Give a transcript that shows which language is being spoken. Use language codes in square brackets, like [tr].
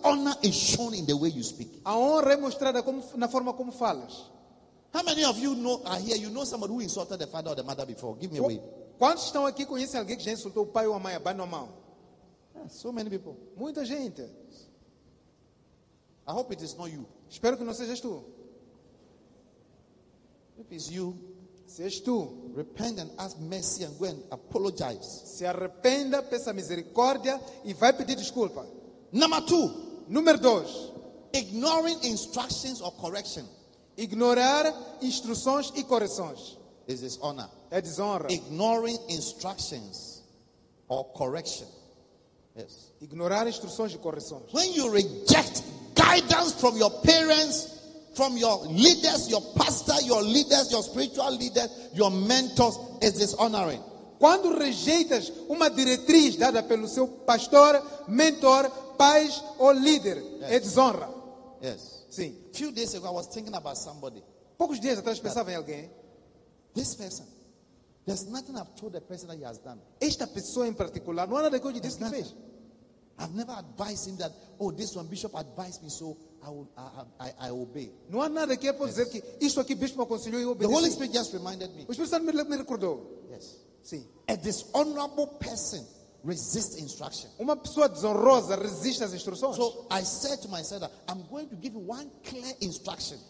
[en] Honor is shown in the way you speak. [pt] A honra é mostrada como, na forma como falas. [en] How many of you know are here? You know somebody who insulted the father or the mother before? Give me a wave. [pt] Quantos estão aqui conhecem alguém que já insultou o pai ou a mãe? Abaixa a mão. [en] So many people. [pt] Muita gente. [en] I hope it is not you. [pt] Espero que não sejas tu. [en] If it's you, [pt] se és tu, [en] repent and ask mercy and go and apologize. [pt] Se arrependa, peça misericórdia e vai pedir desculpa. [en] Number two. [pt] Número dois. [en] Ignoring instructions or correction. [pt] Ignorar instruções e correções. [en] Is this honor? [pt] É desonra. [en] Ignoring instructions or correction. Yes. [pt] Ignorar instruções e correções. [en] When you reject guidance from your parents, from your leaders, your pastor, your leaders, your spiritual leaders, your mentors, is dishonoring. [pt] Quando rejeitas uma diretriz dada pelo seu pastor, mentor, pais ou líder, [en] yes. [pt] É desonra. [en] Yes. [pt] Sim. [en] Few days ago, I was thinking about somebody. [pt] Poucos dias atrás pensava em alguém. [en] This person, there's nothing I've told the person that he has done. [pt] Esta pessoa em particular, não há nada que eu lhe disse que fez. [en] I've never advised him that. Oh, this one bishop advised me, so I obey. [pt] Não há nada que eu possa dizer que isto aqui bispo me aconselhou e eu obedeci. [en] The Holy Spirit just reminded me. [pt] O Espírito Santo me recordou. [en] Yes. [pt] Sim. [en] A dishonorable person resist instruction. [pt] Uma pessoa desonrosa resiste às instruções. [en] So I said to myself that I'm going to give you one clear instruction.